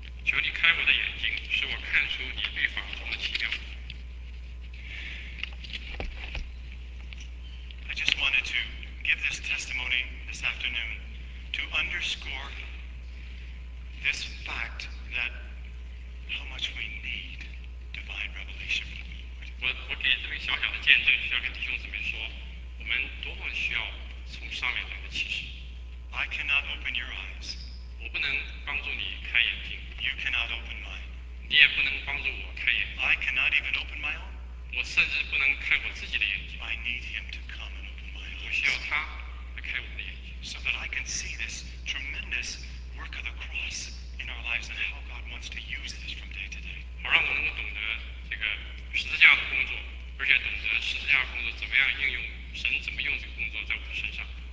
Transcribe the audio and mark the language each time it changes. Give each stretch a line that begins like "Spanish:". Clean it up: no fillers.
Chinese: 求你开我的眼睛，使我看出你律法中的奇妙。
English: I just wanted to give this testimony this afternoon to underscore this fact that how much we need divine revelation.
Chinese: 我给这个小小的见证，需要跟弟兄姊妹说，我们多么需要从上面来的启示。
English: I cannot open your eyes.
Chinese: 我不能帮助你开眼睛。
English: You cannot open mine.
Chinese: 你也不能帮助我开眼睛。
English: I cannot even open my own.
Chinese: 我甚至不能开我自己的眼睛。
English: I need him to come and open my eyes.
Chinese: 我需要他来开我的眼睛。
English: So that I can see this tremendous work of the cross in our lives and how God wants to use this from day to day.
Chinese: 好让我能够懂得这个十字架的工作，而且懂得十字架的工作怎么样应用，神怎么用这个工作在我的身上。